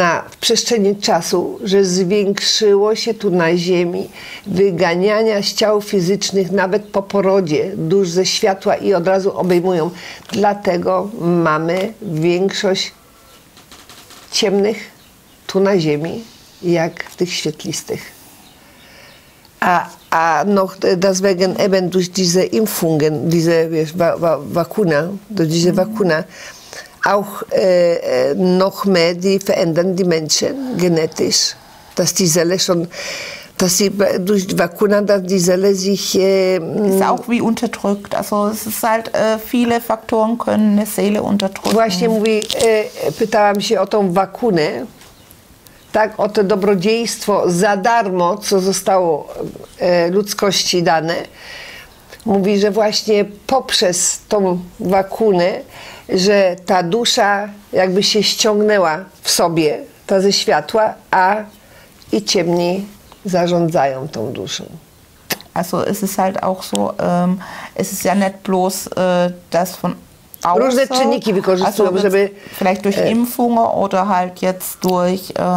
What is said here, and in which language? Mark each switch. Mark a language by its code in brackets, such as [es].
[pl] w przestrzeni czasu, że zwiększyło się tu na Ziemi wyganiania z ciał fizycznych nawet po porodzie dusz ze światła i od razu obejmują, dlatego mamy większość ciemnych tu na Ziemi jak tych świetlistych. [de] A noch das wegen eben durch diese Impfungen, diese Vakuna, durch diese Vakuna, auch noch mehr, die verändern die Menschen genetisch, dass die Seele schon, dass sie durch die Vakuna, dass die Seele sich... ist auch wie unterdrückt, also es ist halt, viele Faktoren können eine Seele unterdrücken. [pl] Właśnie mówię, pytałam się o tą Vakunę. Tak, o to dobrodziejstwo za darmo, co zostało ludzkości dane, mówi, że właśnie poprzez tą wakunę, że ta dusza jakby się ściągnęła w sobie, ta ze światła, a i ciemni zarządzają tą duszą. [de] Also es ist halt auch so, es ist ja nicht bloß das von [pl] różne czynniki wykorzystują, żeby... [de] Vielleicht durch Impfungen oder halt jetzt durch